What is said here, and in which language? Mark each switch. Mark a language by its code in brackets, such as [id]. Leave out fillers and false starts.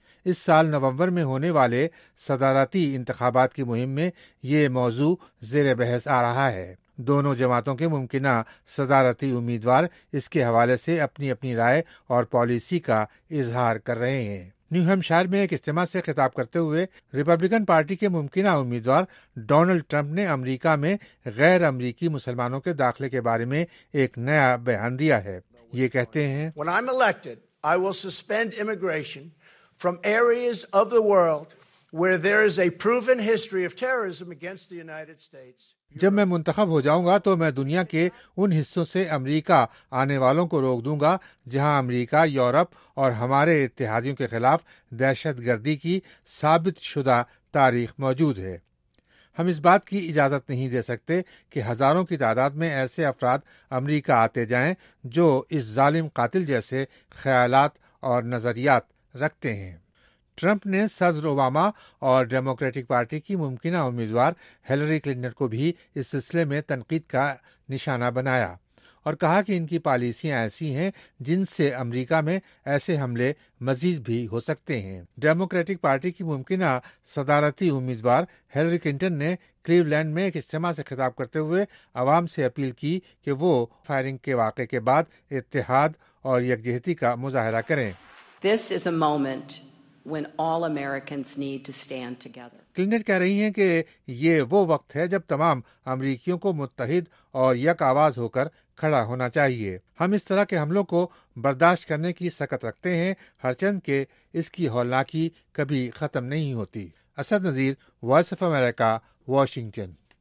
[ur] اس سال نومبر میں ہونے والے صدارتی انتخابات کی مہم میں یہ موضوع زیر بحث آ رہا ہے۔ دونوں جماعتوں کے ممکنہ صدارتی امیدوار اس کے حوالے سے اپنی اپنی رائے اور پالیسی کا اظہار کر رہے ہیں۔ نیو ہیمپشائر میں ایک اجتماع سے خطاب کرتے ہوئے ریپبلکن پارٹی کے ممکنہ امیدوار ڈونلڈ ٹرمپ نے امریکہ میں غیر امریکی مسلمانوں کے داخلے کے بارے میں ایک نیا بیان دیا ہے۔ یہ کہتے ہیں، [en] When I'm elected, I will suspend immigration from areas of the world where there is a proven history of terrorism against the United States. [ur] جب میں منتخب ہو جاؤں گا تو میں دنیا کے ان حصوں سے امریکہ آنے والوں کو روک دوں گا جہاں امریکہ، یورپ اور ہمارے اتحادیوں کے خلاف دہشت گردی کی ثابت شدہ تاریخ موجود ہے۔ ہم اس بات کی اجازت نہیں دے سکتے کہ ہزاروں کی تعداد میں ایسے افراد امریکہ آتے جائیں جو اس ظالم قاتل جیسے خیالات اور نظریات رکھتے ہیں۔ ٹرمپ نے صدر اوباما اور ڈیموکریٹک پارٹی کی ممکنہ امیدوار ہلری کلنٹن کو بھی اس سلسلے میں تنقید کا نشانہ بنایا اور کہا کہ ان کی پالیسیاں ایسی ہیں جن سے امریکہ میں ایسے حملے مزید بھی ہو سکتے ہیں۔ ڈیموکریٹک پارٹی کی ممکنہ صدارتی امیدوار ہلری کلنٹن نے کلیولینڈ میں ایک اجتماع سے خطاب کرتے ہوئے عوام سے اپیل کی کہ وہ فائرنگ کے واقعے کے بعد اتحاد اور یکجہتی کا مظاہرہ کریں۔ [en] This is a moment when all Americans need to stand together. [ur] Clinton کہہ رہی ہیں کہ یہ وہ وقت ہے جب تمام امریکیوں کو متحد اور یک آواز ہو کر کھڑا ہونا چاہیے۔ ہم اس طرح کے حملوں کو برداشت کرنے کی سکت رکھتے ہیں، ہرچند کہ اس کی ہولناکی کبھی ختم نہیں ہوتی۔ Asad Nazir, voice of America, Washington.